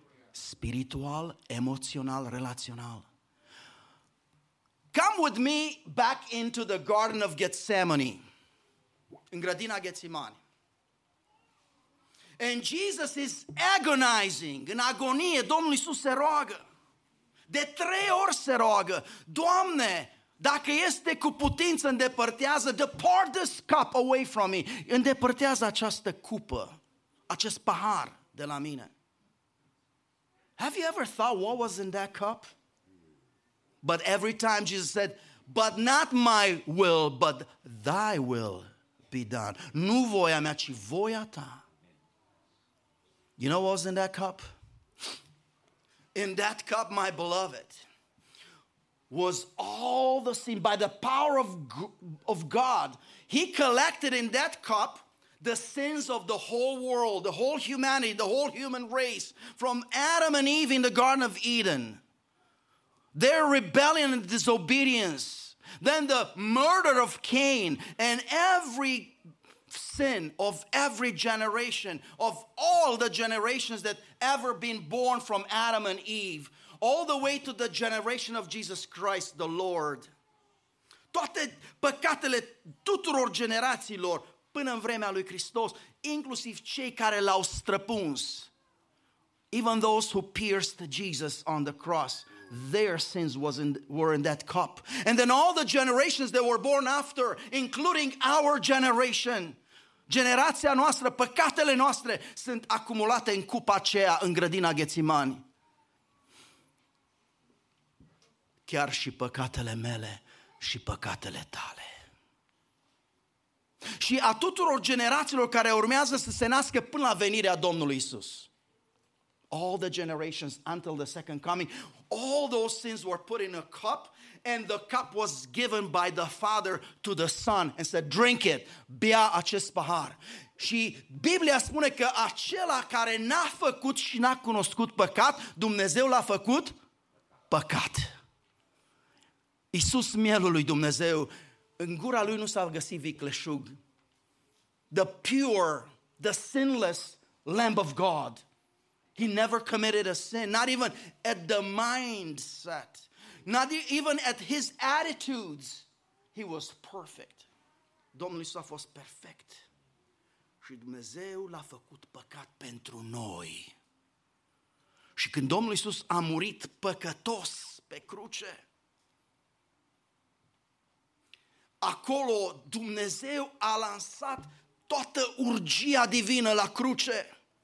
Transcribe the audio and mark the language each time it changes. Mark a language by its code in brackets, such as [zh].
[ro] Spiritual, emoțional, relațional. [en] Come with me back into the Garden of Gethsemane. [ro] În grădina Ghețimani. [en] And Jesus is agonizing, [ro] în agonie, Domnul Iisus se roagă. De trei ori se roagă, Doamne, dacă este cu putință, îndepărtează, [en] depart this cup away from me. [ro] Îndepărtează această cupă, acest pahar de la mine. [en] Have you ever thought what was in that cup? But every time Jesus said, but not my will, but thy will be done. [ro] Nu voia mea, ci voia ta. [en] You know what was in that cup? In that cup, my beloved, was all the sin. By the power of God, he collected in that cup the sins of the whole world, the whole humanity, the whole human race, from Adam and Eve in the Garden of Eden. Their rebellion and disobedience. Then the murder of Cain and every sin of every generation, of all the generations that ever been born from Adam and Eve, all the way to the generation of Jesus Christ, the Lord. [ro] Toate păcatele tuturor generațiilor, până în vremea lui Hristos, inclusiv cei care l-au străpuns. [en] Even those who pierced Jesus on the cross, their sins were in that cup. And then all the generations that were born after, including our generation, [ro] generația noastră, păcatele noastre sunt acumulate în cupa aceea, în grădina Ghețimani. Chiar și păcatele mele și păcatele tale. Și a tuturor generațiilor care urmează să se nască până la venirea Domnului Iisus. [en] All the generations until the second coming, all those sins were put in a cup, and the cup was given by the Father to the Son and said, drink it, [ro] bea acest pahar. Și Biblia spune că acela care n-a făcut și n-a cunoscut păcat, Dumnezeu l-a făcut păcat. Iisus, mielul lui Dumnezeu, în gura lui nu s-a găsit vicleșug. [en] The pure, the sinless Lamb of God. He never committed a sin, not even at the mindset, not even at his attitudes. He was perfect. [ro] Domnul Iisus a fost perfect. Și Dumnezeu l-a făcut păcat pentru noi. Și când Domnul Iisus a murit păcătos pe cruce, acolo Dumnezeu a lansat toată urgia divină la cruce.